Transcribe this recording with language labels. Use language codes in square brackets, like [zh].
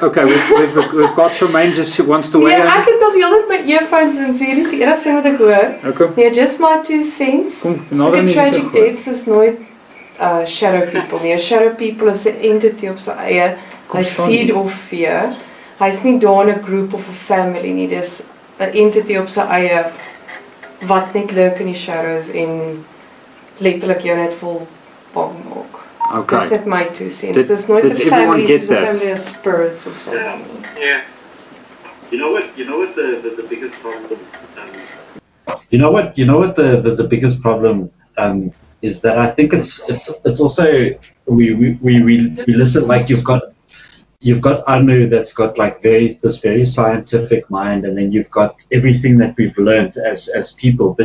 [en] Okay, we've got Charmaine just wants to weigh in. Yeah, I can hear with my earphones in, so you just hear us in with a go. Okay. Yeah, just my two cents. Some tragic deaths is not shadow people. Yeah, shadow people is an entity of so I feed off fear. [af] Hy's nie daar in 'n groep of 'n family nie, dis 'n entity op sy eie wat net lurk in die shadows en letterlik jou net vol bang maak. [en] Okay. [af] Dis net my [en] two cents. [af] Dis nooit 'n family, family of spirits of something. Yeah. [en] You know what the biggest problem is? You know what the biggest problem is that I think it's also we listen like you've got Anu that's got like this very scientific mind, and then you've got everything that we've learned as people.